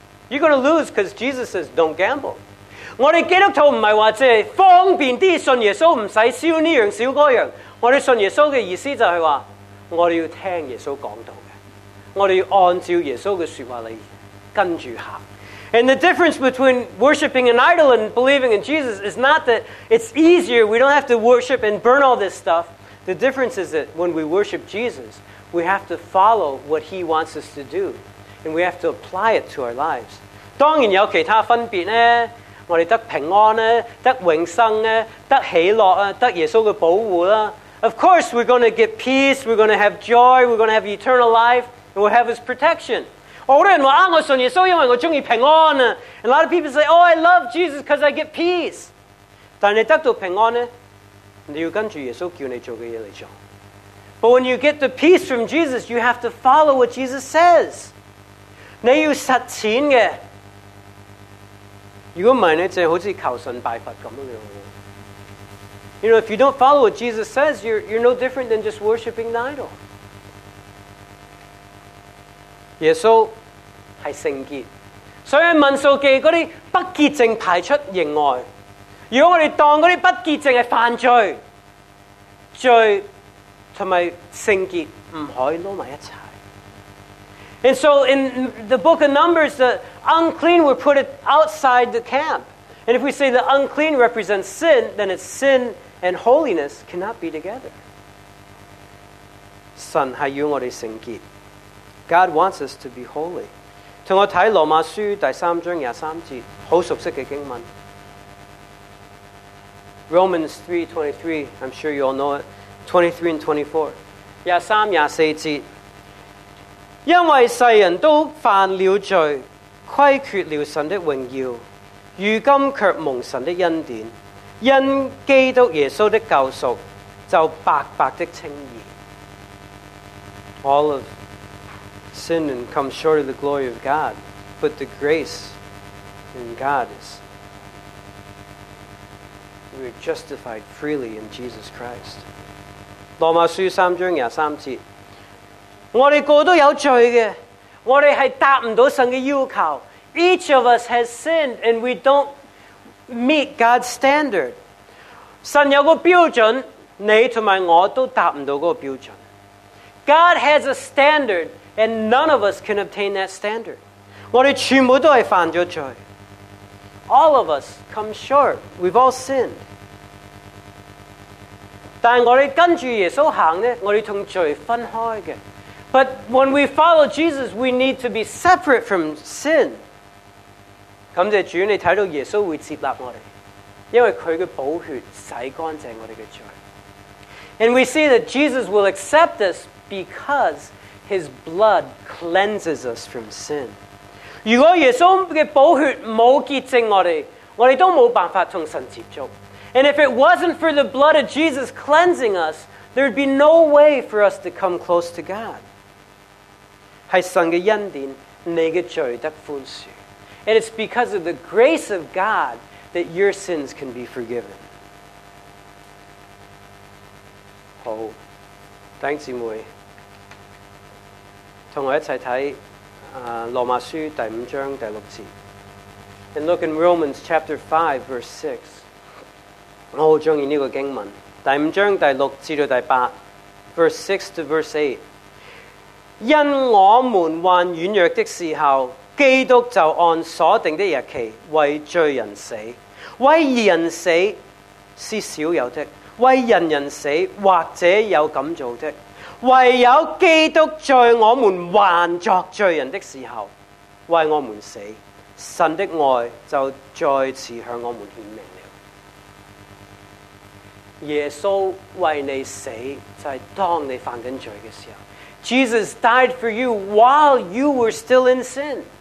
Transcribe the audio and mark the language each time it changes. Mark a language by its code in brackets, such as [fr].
[en] You're going to lose because Jesus says don't gamble. [zh] 我哋基督徒唔系话即系方便啲信耶稣，唔使烧呢样烧嗰样。我哋信耶稣嘅意思就系话，我哋要听耶稣讲道嘅，我哋要按照耶稣嘅说话嚟跟住行。 [en] And the difference between worshiping an idol and believing in Jesus is not that it's easier, we don't have to worship and burn all this stuff. The difference is that when we worship Jesus, we have to follow what He wants us to do. And we have to apply it to our lives. [zh] 当然有其他分别呢，我们得平安呢，得永生呢，得喜乐啊，得耶稣的保护啦。 [en] Of course, we're going to get peace, we're going to have joy, we're going to have eternal life, and we'll have His protection. [zh] 好多人说、啊、我信耶稣因为我喜欢平安、啊、 And a lot of people say, oh, I love Jesus because I get peace. 但你得到平安呢，你要跟着耶稣叫你做的事来做。 [en] But when you get the peace from Jesus, you have to follow what Jesus says. [zh] 你要实践的。如果不是就好像求神拜佛这样。 [en] You know, if you don't follow what Jesus says, you're no different than just worshiping the idol. [zh] 耶稣是圣洁，所以民数记那些不洁净排出营外。如果我们当那些不洁净是犯罪，罪和圣洁不可以捞在一起。 [en] And so in the book of Numbers, the unclean were put outside the camp. And if we say the unclean represents sin, then it's sin and holiness cannot be together. [zh] 神是要我们圣洁， God wants us to be holy. 同我睇罗马书第三章廿三节，好熟悉嘅经文。 [en] Romans 3:23, I'm sure you all know it. 23 and 24, [zh] 廿三廿四节。因为世人都犯了罪，亏缺了神的荣耀，如今却蒙神的恩典，因基督耶稣的救赎，就白白的称义。 [en] All of sin and come short of the glory of God, but the grace in God is we are justified freely in Jesus Christ. [zh] 罗马书三章廿三节，我哋个都有罪嘅，我哋系达唔到神嘅要求。 Each of us has sinned and we don't meet God's standard. 神有个标准，你同埋我都达唔到嗰个标准。 [en] God has a standard. And none of us can obtain that standard. [zh] 我们全部都是犯了罪。 [en] All of us come short. We've all sinned. [zh] 但我们跟着耶稣行呢，我们同罪分开的。 [en] But when we follow Jesus, we need to be separate from sin. [zh] 感谢主，你看到耶稣会接纳我们，因为他的宝血洗干净我们的罪。 [en] And we see that Jesus will accept us because His blood cleanses us from sin. [zh] 如果耶稣的宝血没有洁净我们，我们都没有办法跟神接触。 [en] And if it wasn't for the blood of Jesus cleansing us, there'd be no way for us to come close to God. [zh] 是神的恩典，你的罪得宽恕。 [en] And it's because of the grace of God that your sins can be forgiven. [zh] 好，弟兄姊妹，跟我一起看罗马书第五章第六节。 [en] And look in Romans chapter 5 verse 6. [zh] 我好喜欢这个经文，第五章第六至到第八， [en] verse 6 to verse 8. [zh] 因我们患软弱的时候，基督就按所定的日期为罪人死，为人死是少有的，为人人死或者有敢做的，唯有基督在我们还作罪人的时候为我们死，神的爱就再次向我们显明了。耶稣为你死，就是当你犯紧罪的时候。 [en] Jesus died for you while you were still in sin.